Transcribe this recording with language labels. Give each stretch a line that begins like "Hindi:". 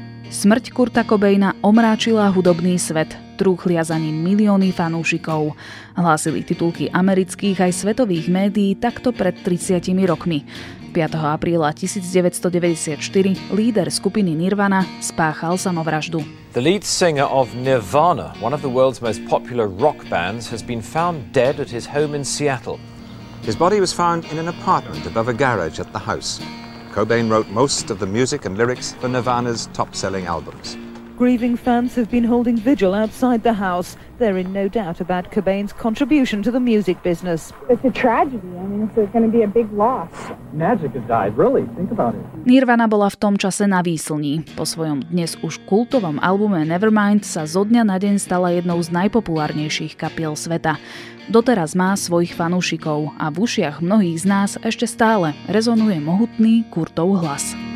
Slovak: Smrť Kurta Cobaina omráčila hudobný svet, trúchlia za ním milióny fanúšikov. Hlásili titulky amerických aj svetových médií takto pred 30 rokmi. 5. apríla 1994 líder skupiny Nirvana spáchal samovraždu.
English: The lead singer of Nirvana, one of the world's most popular rock bands, has been found dead at his home in Seattle. His body was found in an apartment above a garage at the house. Cobain wrote most of the music and lyrics for Nirvana's top-selling albums. Grieving fans have been holding vigil outside the house. They're in no doubt about Cobain's contribution to the music business. It's a tragedy. I mean, it's going to be a big loss. Magic has died, really. Think about it.
Slovak: Nirvana bola v tom čase na výslni. Po svojom dnes už kultovom albume Nevermind sa zo dňa na deň stala jednou z najpopulárnejších kapiel sveta. Doteraz má svojich fanúšikov a v ušiach mnohých z nás ešte stále rezonuje mohutný Kurtov hlas.